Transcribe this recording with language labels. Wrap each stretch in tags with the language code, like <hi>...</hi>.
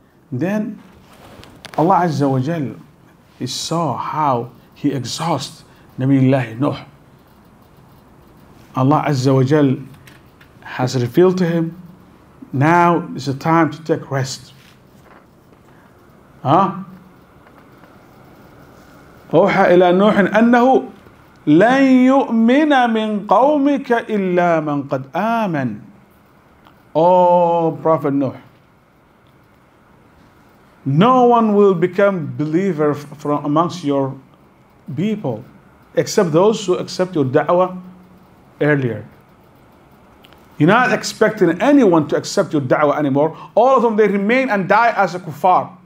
<en>Then Allah Azza wa Jal, he saw how he exhausted Nabiullah Nuh. Allah Azza wa Jal has revealed to him, now is the time to take rest.</en> <ar>أوحى إلى نوح أنه لن يؤمن من قومك إلا من قد آمن.</ar> <en>Oh, Prophet Nuh, no one will become believer from amongst your people except those who accept your da'wah earlier. You're not expecting anyone to accept your da'wah anymore. All of them, they remain and die as a kuffar.</en>